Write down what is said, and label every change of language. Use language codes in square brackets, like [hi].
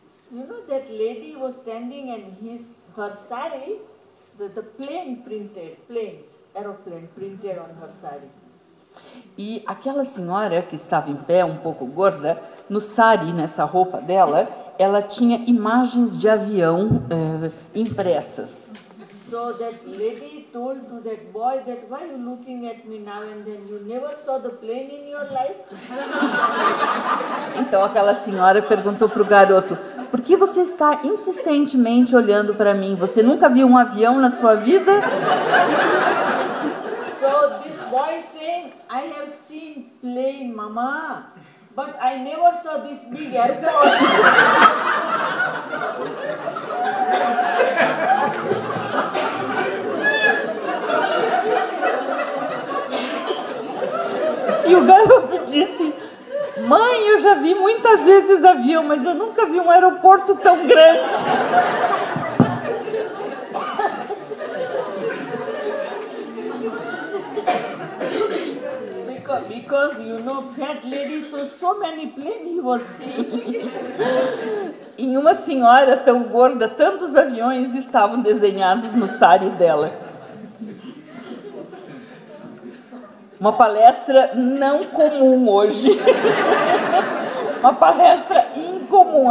[en] You know that lady was standing and her sari, the plane printed, plane, aeroplane printed on her sari. [pt] E aquela senhora que estava em pé, um pouco gorda, no sari, nessa roupa dela, ela tinha imagens de avião impressas. [en] So that lady told to that boy that why are you looking at me now and then you never saw the plane in your life? [pt] Então aquela senhora perguntou para o garoto, por que você está insistentemente olhando para mim? Você nunca viu um avião na sua vida? [en] So this boy saying, I have seen plane, mama, but I never saw this big airport. [pt] E o garoto disse, mãe, eu já vi muitas vezes avião, mas eu nunca vi um aeroporto tão grande. [en] Because you know, fat lady saw so many planes he was seeing. [pt] Em uma senhora tão gorda, tantos aviões estavam desenhados no sari dela. Uma palestra não comum hoje. Uma palestra incomum.